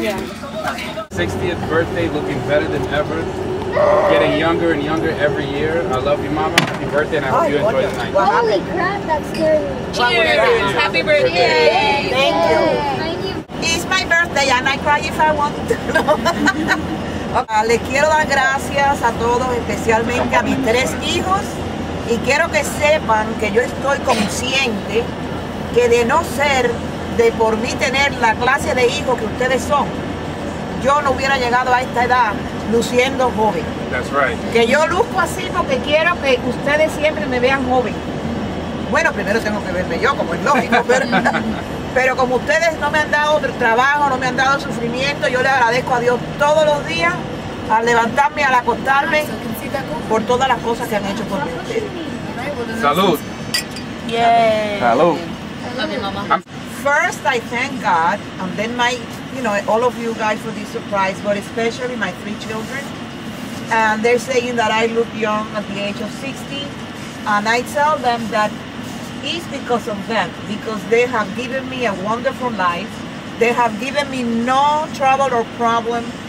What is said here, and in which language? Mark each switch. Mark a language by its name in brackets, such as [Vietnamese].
[English] 60th birthday, looking better than ever. Getting younger and younger every year. I love you, mama. Happy birthday, and I hope you enjoy the night. Holy crap, that's scary. Cheers. Happy birthday. Thank you. Thank you. It's my birthday, and I cry if I want to. [Spanish] Les quiero dar gracias a todos, especialmente a mis tres hijos. Y quiero que sepan que yo estoy consciente que de no ser de por mí tener la clase de hijos que ustedes son, yo no hubiera llegado a esta edad luciendo joven. [English] That's right. [Spanish] Que yo luzco así porque quiero que ustedes siempre me vean joven. Bueno, primero tengo que verme yo, como es lógico, pero como ustedes no me han dado trabajo, no me han dado sufrimiento, yo le agradezco a Dios todos los días al levantarme, al acostarme, por todas las cosas que han hecho por mí. Salud. Yay. Salud. [English] I love you, mama. First, I thank God, and then my, you know, all of you guys for this surprise, but especially my three children. And they're saying that I look young at the age of 60. And I tell them that it's because of them, because they have given me a wonderful life. They have given me no trouble or problem